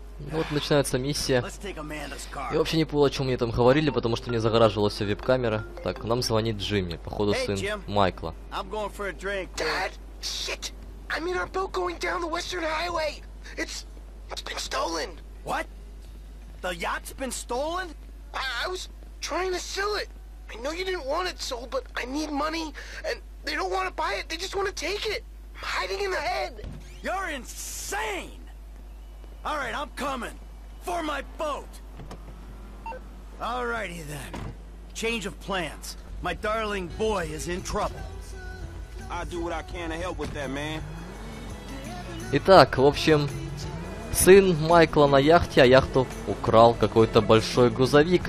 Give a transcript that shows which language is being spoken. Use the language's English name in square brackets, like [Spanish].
[Russian] Ну вот начинается миссия. И вообще не понял, о чем мне там говорили, потому что мне загораживала вся веб-камера. Так, нам звонит Джимми, походу сын Майкла. [English] Dad, shit! I'm in our boat going down the Western Highway. It's been stolen. What? The yacht's been stolen? I was trying to sell it. I know you didn't want it sold, but I need money, and they don't want to buy it. They just want to take it. I'm hiding in the head. You're insane. All right, I'm coming for my boat. All righty then. Change of plans. My darling boy is in trouble. I do what I can to help with that, man. [Russian] Итак, в общем, сын Майкла на яхте, а яхту украл какой-то большой грузовик.